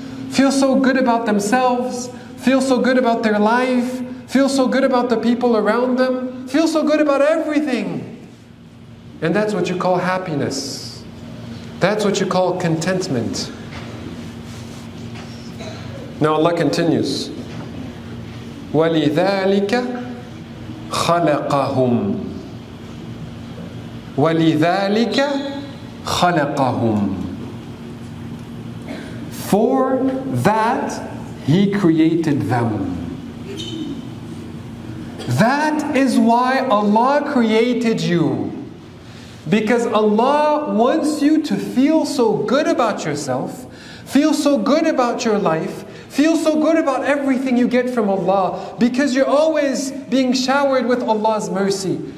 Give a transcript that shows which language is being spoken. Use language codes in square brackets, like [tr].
[en] Feel so good about themselves, feel so good about their life, feel so good about the people around them, feel so good about everything. And that's what you call happiness. That's what you call contentment. Now Allah continues, [ar] وَلِذَٰلِكَ خَلَقَهُمْ وَلِذَٰلِكَ خَلَقَهُمْ. [en] For that He created them. That is why Allah created you. Because Allah wants you to feel so good about yourself, feel so good about your life, feel so good about everything you get from Allah, because you're always being showered with Allah's mercy.